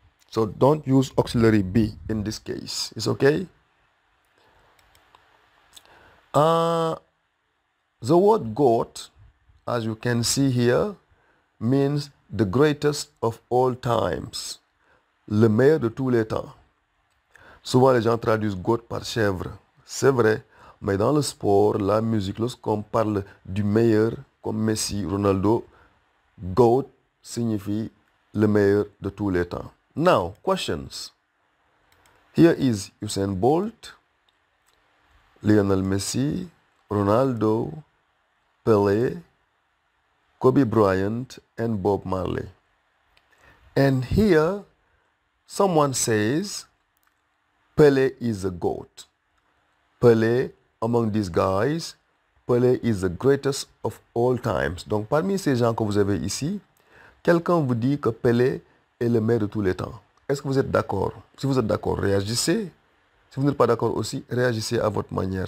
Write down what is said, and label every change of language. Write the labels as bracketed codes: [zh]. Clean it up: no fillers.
[en] So don't use auxiliary be in this case. It's okay? The word goat, as you can see here, means the greatest of all times. [fr] Le meilleur de tous les temps. Souvent les gens traduisent goat par chèvre. C'est vrai, mais dans le sport, la musique, lorsqu'on parle du meilleur, comme Messi, Ronaldo, goat signifie le meilleur de tous les temps. [en] Now, questions. Here is Usain Bolt, Lionel Messi, Ronaldo, Pelé, Kobe Bryant, and Bob Marley. And here, someone says, Pelé is a goat. Pelé, among these guys, Pelé is the greatest of all times. [fr] Donc, parmi ces gens que vous avez ici, quelqu'un vous dit que Pelé est le meilleur de tous les temps. Est-ce que vous êtes d'accord? Si vous êtes d'accord, réagissez. Si vous n'êtes pas d'accord aussi, réagissez à votre manière.